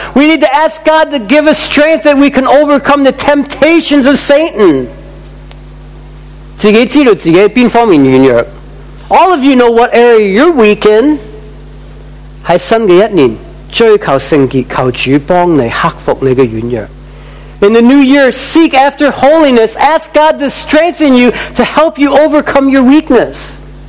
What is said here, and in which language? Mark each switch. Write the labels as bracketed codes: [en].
[en] We need to ask God to give us strength that we can overcome the temptations of Satan. [zh] 自己知道自己在哪方面软弱. [en] All of you know what area you're weak in. [zh] 在新的一年, 追求圣洁, 求主帮你克服你的软弱. [en] In the new year, seek after holiness. Ask God to strengthen you to help you overcome your weakness.